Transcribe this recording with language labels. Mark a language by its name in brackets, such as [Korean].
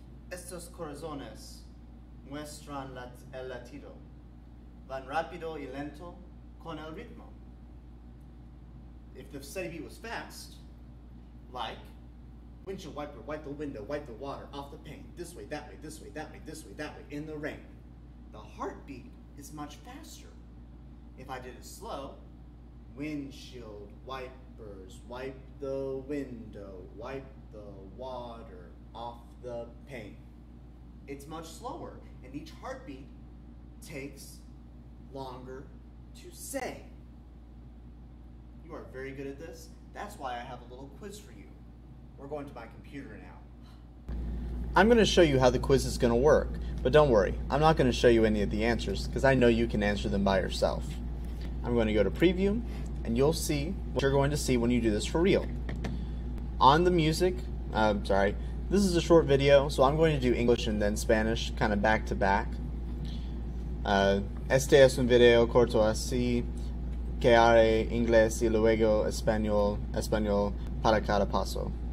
[Spanish] Estos corazones muestran el latido, van rápido y lento con el ritmo. [English] If the steady beat was fast, like windshield wiper, wipe the window, wipe the water off the pane, this way, that way, this way, that way, this way, that way, in the rain, the heartbeat is much faster. If I did it slow, windshield wipers, wipe the window, wipe the water off the pane. It's much slower, and each heartbeat takes longer to say. You are very good at this. That's why I have a little quiz for you. We're going to my computer now. I'm going to show you how the quiz is going to work, but don't worry. I'm not going to show you any of the answers, because I know you can answer them by yourself. I'm going to go to preview, and you'll see what you're going to see when you do this for real. On the music, this is a short video, so I'm going to do English and then Spanish, kind of back to back. [Spanish] Este es un video corto así que haré inglés y luego español para cada paso.